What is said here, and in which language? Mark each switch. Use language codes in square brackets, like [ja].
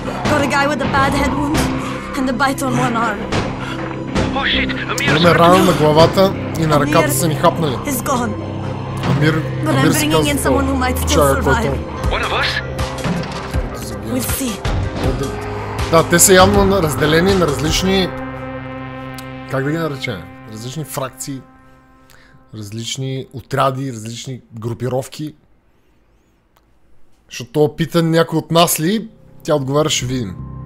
[en] Got a guy with a bad head wound and a bite on one arm. Oh shit, Amir! [bg] Имаме рана на главата и на ръката са ни хапнали. [en] He's gone. [bg] Амир, [en] but I'm bringing in someone who might still survive. One of us? We'll see. [bg] Да, те са явно разделени на различни... Как да ги наречем? Различни фракции, различни отряди, различни групировки. Защото пита някой от нас ли, тя отговаря, ще видим.